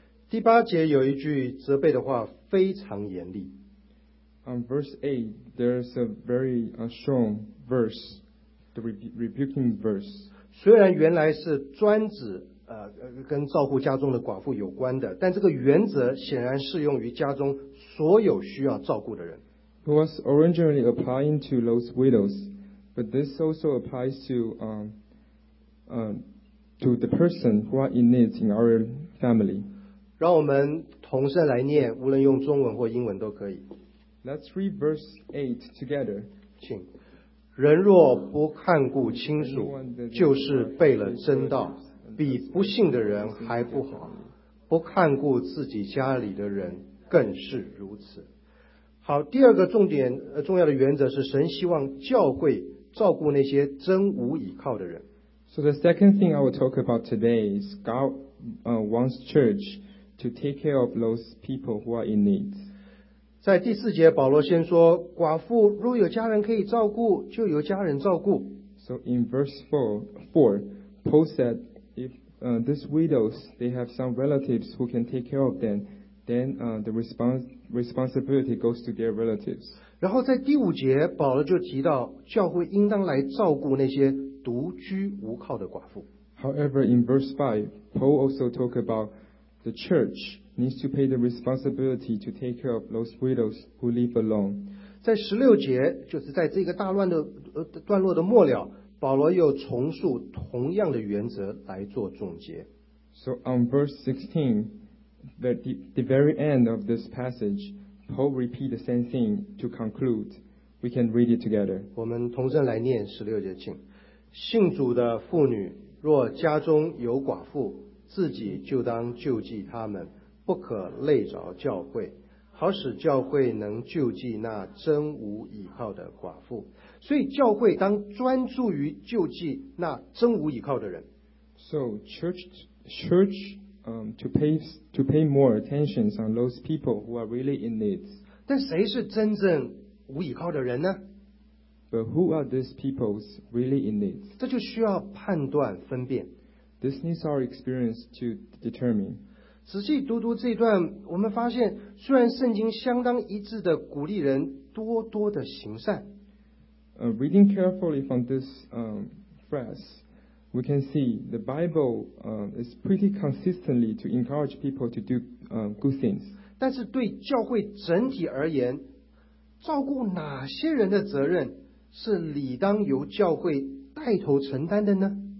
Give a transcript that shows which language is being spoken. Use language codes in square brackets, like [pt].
[zh] 第八节有一句责备的话非常严厉。 [en] On verse 8, there's a very strong verse, the rebuking verse. [zh] 虽然原来是专指跟照顾家中的寡妇有关的，但这个原则显然适用于家中所有需要照顾的人。 [en] It was originally applying to those widows, but this also applies to the person who are in need in our family. [zh] 让我们同声来念，无论用中文或英文都可以。 [en] Let's read verse 8 together. [zh] 请。人若不看顾亲属，就是背了真道。比不幸的人还不好，不看顾自己家里的人更是如此。好，第二个重点重要的原则是神希望教会照顾那些真无倚靠的人。 [en] So the second thing I will talk about today is God wants church to take care of those people who are in need. [zh] 在第四节保罗先说，寡妇若有家人可以照顾，就由家人照顾。 [en] So in verse 4, Paul said,these widows, they have some relatives who can take care of them, then the responsibility goes to their relatives. [zh] 然后在第五节保罗就提到教会应当来照顾那些独居无靠的寡妇。 [en] However, in verse 5, Paul also talked about the church needs to pay the responsibility to take care of those widows who live alone. [zh] 在十六节就是在这个大乱的段落的末了，保罗又重述同样的原则来做总结。 [en] So on verse 16, the very end of this passage, Paul repeat the same thing to conclude. We can read it together. [zh] 我们同声来念十六节，请。信主的妇女若家中有寡妇，自己就当救济他们，不可累着教会，好使教会能救济那真无倚靠的寡妇。所以教会当专注于救济那真无倚靠的人。 [en] So church to pay more attention on those people who are really in need. [zh] 但谁是真正无倚靠的人呢？ [en] But who are these peoples really in need? [zh] 这就需要判断分辨。 [en] This needs our experience to determine. [zh] 仔细读读这段，我们发现虽然圣经相当一致的鼓励人多多的行善。 [en] Reading carefully from this phrase, we can see the Bible is pretty consistently to encourage people to do good things. [zh] 但是对教会整体而言，照顾哪些人的责任是理当由教会带头承担的呢？